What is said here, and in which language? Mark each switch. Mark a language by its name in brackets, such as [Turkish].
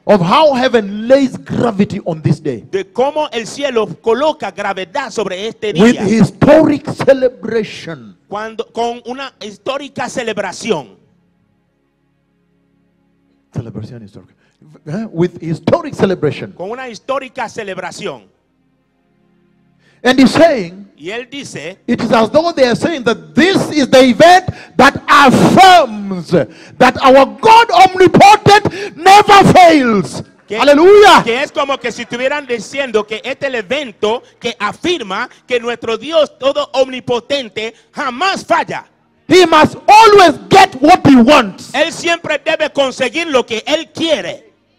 [English] Of how heaven lays gravity on this day. [Spanish] De cómo el cielo coloca gravedad sobre este día. [English] With historic celebration. [Spanish] Cuando, con una histórica celebración. Celebración histórica. [English] With historic celebration. [Spanish] Con una histórica celebración. [English] And he's saying. [Spanish] Y él dice. [English] It is as though they are saying that this is the event that affirms that our God omnipotent never fails. [Spanish] Que, aleluya. Que es como que si estuvieran diciendo que este es el evento que afirma que nuestro Dios todo omnipotente jamás falla. [English] He must always get what he wants. [Spanish] Él siempre debe conseguir lo que él quiere.